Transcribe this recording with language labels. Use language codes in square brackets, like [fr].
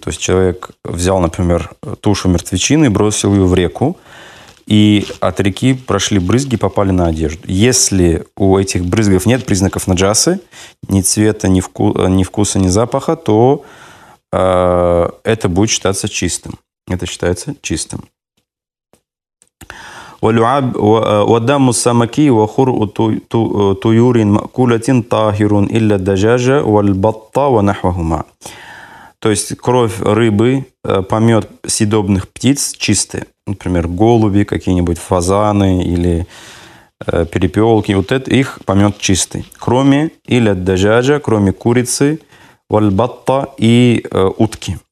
[ru] То есть человек взял, например, тушу мертвечины и бросил ее в реку, и от реки прошли брызги, попали на одежду. Если у этих брызгов нет признаков наджасы, ни цвета, ни вкуса, ни запаха, то это будет считаться чистым. Это считается чистым. [ar] ولعاب ودم السمك وخر طيور مأكولة طاهر إلا الدجاج والبط ونحوهما. [ru] То есть кровь рыбы, помет съедобных птиц чистые. Например, голуби, какие-нибудь фазаны или перепелки. Вот это их помет чистый. Кроме иля-даджаджа, кроме курицы, вальбатта и утки.